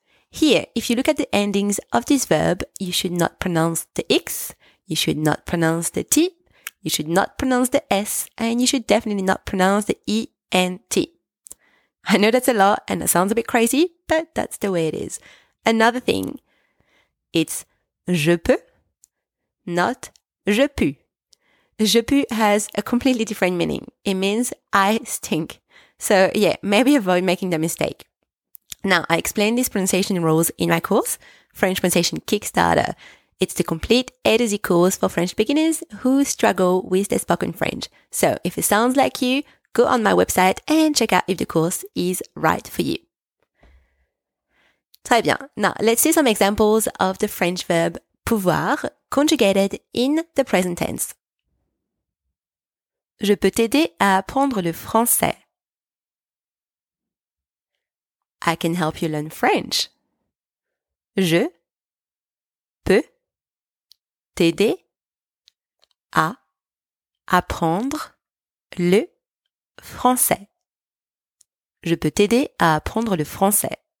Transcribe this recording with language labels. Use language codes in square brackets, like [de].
[en] Here, if you look at the endings of this verb, you should not pronounce the X, you should not pronounce the T, you should not pronounce the S, and you should definitely not pronounce the E and T. I know that's a lot and it sounds a bit crazy, but that's the way it is. Another thing, it's [fr] je peux, [en] not [fr] je peux. Je peux [en] has a completely different meaning. It means I stink. So yeah, maybe avoid making the mistake. Now, I explain these pronunciation rules in my course, French Pronunciation Kickstarter. It's the complete A to Z course for French beginners who struggle with their spoken French. So if it sounds like you, go on my website and check out if the course is right for you. [fr] Très bien. [en] Now, let's see some examples of the French verb pouvoir conjugated in the present tense. [fr] Je peux t'aider à apprendre le français. [en] I can help you learn French. [fr] Je peux t'aider à apprendre le français. Je peux t'aider à apprendre le français.